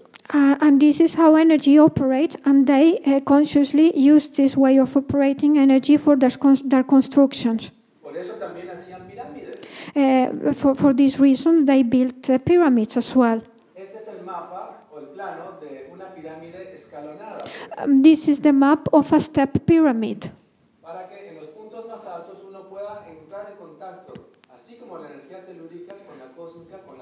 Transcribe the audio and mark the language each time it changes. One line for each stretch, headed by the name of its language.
English: And this is how energy operates, and they consciously use this way of operating energy for their constructions.
Spanish: Por eso también hacían pirámides.
English: For this reason, they built pyramids as well.
Spanish: Este es el mapa, o el plano, de una pirámide escalonada.
English: This is the map of a step pyramid.
Spanish: Para que en los puntos más altos uno pueda entrar en contacto, así como la energía telúrica con la cósmica,